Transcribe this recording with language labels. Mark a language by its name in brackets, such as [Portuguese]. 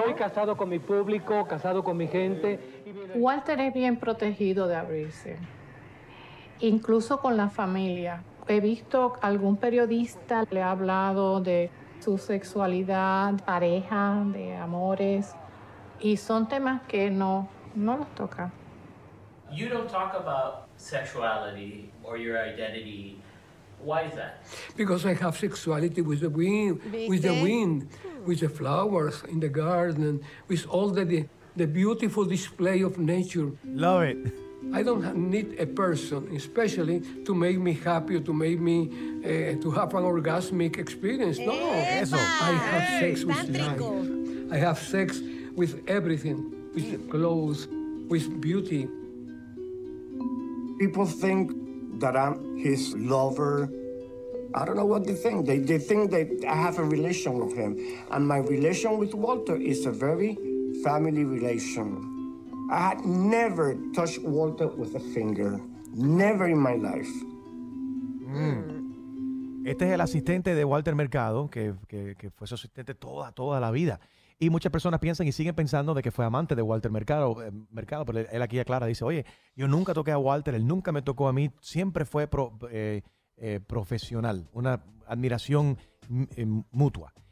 [Spanish] estoy casado con mi público, casado con mi gente. Walter es bien protegido de abrirse. Incluso con la familia. He visto algún periodista le ha hablado de su sexualidad, pareja, de amores. Y son temas que no los toca. [English] You don't talk about sexuality or your identity. Why is that? Because I have sexuality with the wind, with the flowers in the garden, with all the beautiful display of nature. Love it. I don't need a person, especially to make me happy or to make me to have an orgasmic experience. No, Eva. I have sex with life. I have sex with everything, with clothes, with beauty. People think that I'm his lover. I don't know what they think. They think that I have a relation with him. And my relation with Walter is a very family relation. I had never touched Walter with a finger. Never in my life. Mm. [Spanish] Este es el asistente de Walter Mercado, que fue su asistente toda la vida. Y muchas personas piensan y siguen pensando de que fue amante de Walter Mercado, pero él aquí aclara, dice, oye, yo nunca toqué a Walter, él nunca me tocó a mí, siempre fue profesional, una admiración mutua.